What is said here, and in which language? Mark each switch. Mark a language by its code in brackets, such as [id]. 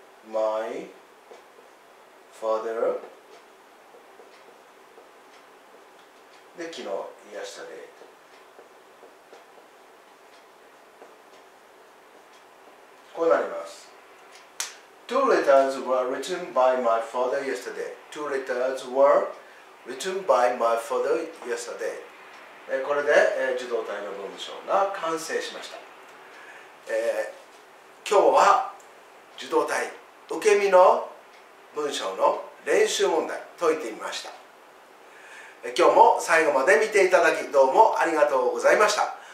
[en] my father [ja] で、昨日癒したで、こうなります。 [en] Two letters were written by my father yesterday. Two letters were written by my father yesterday. [ja] でこれで、受動態の文章が完成しました。今日は受動態受け身の文章の練習問題解いてみました。今日も最後まで見ていただきどうもありがとうございました。